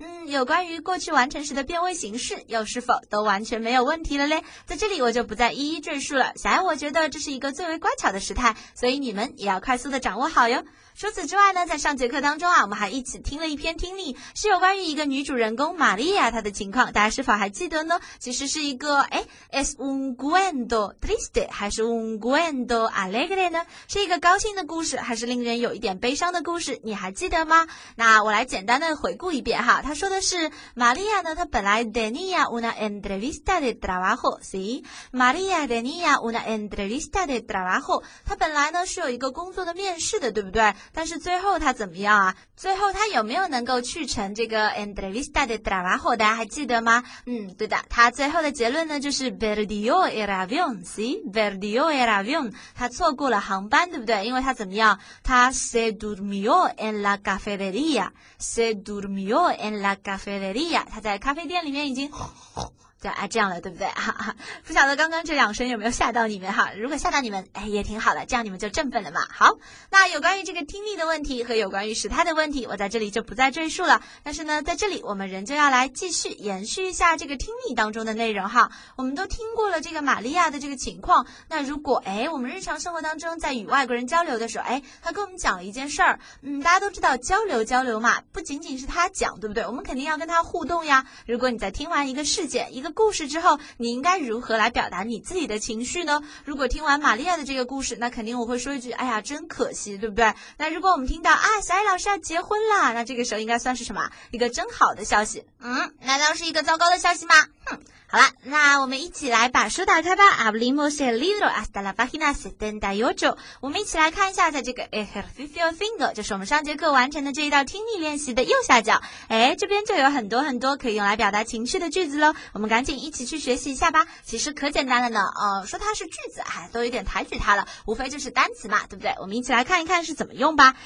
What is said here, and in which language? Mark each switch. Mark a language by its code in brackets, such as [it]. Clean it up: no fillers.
[zh] 有关于过去完成时的变位形式又是否都完全没有问题了嘞？在这里我就不再一一赘述了，小爱我觉得这是一个最为乖巧的时态，所以你们也要快速的掌握好哟。除此之外呢，在上节课当中啊，我们还一起听了一篇听力，是有关于一个女主人公玛丽亚她的情况，大家是否还记得呢？其实是一个 es un cuento triste 还是 un cuento alegre 呢？是一个高兴的故事还是令人有一点悲伤的故事，你还记得吗？那我来简单的回顾一遍哈，她说的是玛丽亚呢，她本来 tenía una entrevista de trabajo， sí， María tenía una entrevista de trabajo， 她本来呢是有一个工作的面试的，对不对？但是最后他怎么样啊？最后他有没有能够去成这个 entrevista de trabajo？大家还记得吗？对的，他最后的结论呢就是 perdió el avión， sí， perdió el avión，他错过了航班，对不对？因为他怎么样？他 se durmió en la cafetería， se durmió en la cafetería， 他在咖啡店里面已经。这样了，对不对？不晓得刚刚这两声有没有吓到你们哈？如果吓到你们，也挺好的，这样你们就振奋了嘛。好，那有关于这个听力的问题和有关于时态的问题，我在这里就不再赘述了。但是呢，在这里我们仍旧要来继续延续一下这个听力当中的内容哈。我们都听过了这个玛利亚的这个情况，那如果我们日常生活当中在与外国人交流的时候，他跟我们讲了一件事儿，大家都知道交流交流嘛，不仅仅是他讲，对不对？我们肯定要跟他互动呀。如果你在听完一个事件一个故事之后，你应该如何来表达你自己的情绪呢？如果听完玛利亚的这个故事，那肯定我会说一句，哎呀真可惜，对不对？那如果我们听到啊，小爱老师要结婚啦，那这个时候应该算是什么？一个真好的消息。难道是一个糟糕的消息吗？好啦，那我们一起来把书打开吧。 [es] Hablemos el libro hasta la página 78。 [zh] 我们一起来看一下，在这个 ejercicio 5，就是我们上节课完成的这一道听力练习的右下角，这边就有很多很多可以用来表达情绪的句子咯，我们赶紧一起去学习一下吧。其实可简单了呢，说它是句子都有点抬举它了，无非就是单词嘛，对不对？我们一起来看一看是怎么用吧。